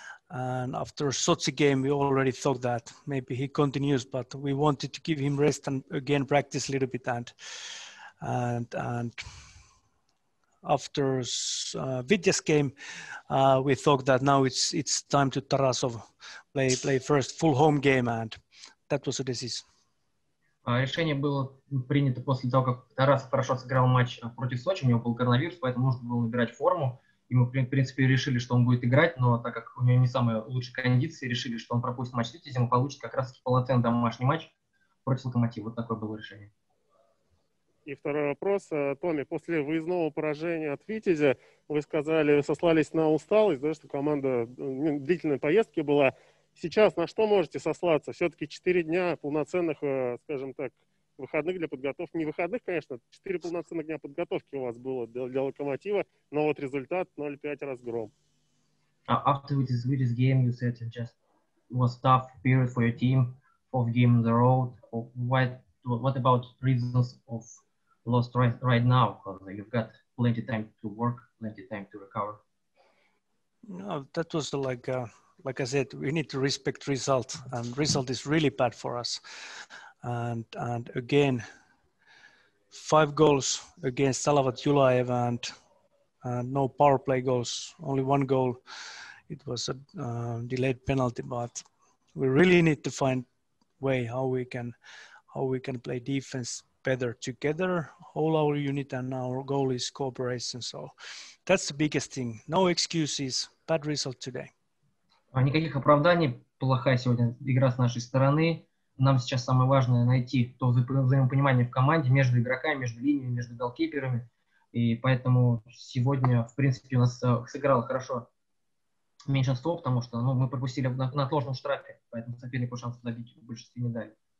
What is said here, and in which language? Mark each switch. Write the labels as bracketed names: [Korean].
[English] And after Sochi game, we already thought that maybe he continues, but we wanted to give him rest and again practice a little bit. And after Vitya's game, we thought that now it's time to Tarasov play first full home game, and that was a decision. [Russian] Решение было принято после того, как Тарасов хорошо сыграл матч против Сочи, у него был коронавирус, поэтому нужно было набирать форму. И мы, в принципе, решили, что он будет играть, но так как у него не самые лучшие кондиции, решили, что он пропустит матч, если ему получит как раз-таки полноценный домашний матч против «Локомотива». Вот такое было решение. И второй вопрос. Томми, после выездного поражения от Витязя вы сказали, сослались на усталость, да, что команда длительной поездки была. Сейчас на что можете сослаться? Все-таки 4 дня полноценных, скажем так, выходных для подготовки. Не выходных, конечно, 4 полноценных дня подготовки у вас было для Локомотива, но вот результат 0-5 разгром. [English] After this game, you said it just was tough period for your team, fourth game on the road. What about reasons of lost right now? Because you've got plenty time to work, plenty time to recover. No, that was like I said, we need to respect result, and result is really bad for us. And again, 5 goals against Salavat Yulaev and no power play goals, only 1 goal. It was a delayed penalty, but we really need to find way how we can play defense better together, all our unit, and our goal is cooperation. So that's the biggest thing. No excuses, bad result today. [Russian] Никаких оправданий, плохая сегодня игра с нашей стороны. Нам сейчас самое важное найти то взаимопонимание в команде между игроками, между линиями, между голкиперами. И поэтому сегодня, в принципе, у нас сыграло хорошо меньшинство, потому что мы пропустили на отложенном штрафе, поэтому сопернику шанс забить в большинстве не дали.